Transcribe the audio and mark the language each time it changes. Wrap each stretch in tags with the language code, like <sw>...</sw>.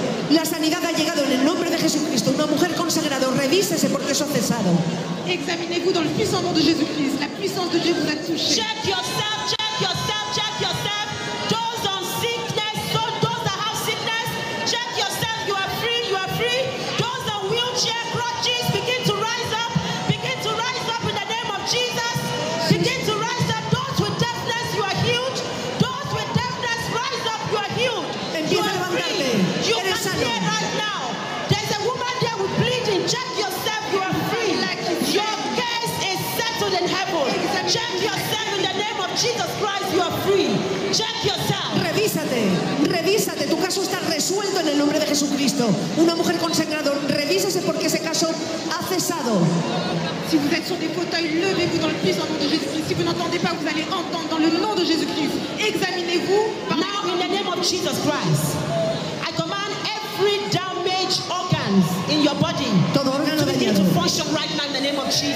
<es>La sanidad ha llegado en el nombre de Jesucristo. Una mujer consagrada, revísese porque eso ha cesado.</es> <fr>Examinez-vous dans le puissant nom de Jésus-Christ. La puissance de Dieu vous a touché.</fr> <en>Check yourself, check yourself, check yourself. Those on sickness, those that have sickness, check yourself. You are free, you are free. Those on wheelchair crutches, begin to rise up. Begin to rise up in the name of Jesus. Begin to rise up. Those with deafness, you are healed. Those with deafness, rise up, you are healed. You are free. You are</en> <es>sano.</es> <en>Right now. There's a woman there with bleeding. Check yourself. You are free. Your case is settled in heaven. Check yourself in the name of Jesus Christ. You are free. Check yourself.</en> <es>Revísate. Revísate. Tu caso está resuelto en el nombre de Jesucristo. Una mujer consagrada, revísese porque ese caso ha cesado.</es> <fr>Si vous êtes sur des fauteuils, levez-vous dans le puissant nom de Jésus-Christ. Si vous n'entendez pas, vous allez entendre dans le nom de Jésus-Christ. Examinez-vous.</fr> <en>Now in the name of Jesus Christ. Every damaged organs in your body to begin to function right now in the name of Jesus.</en>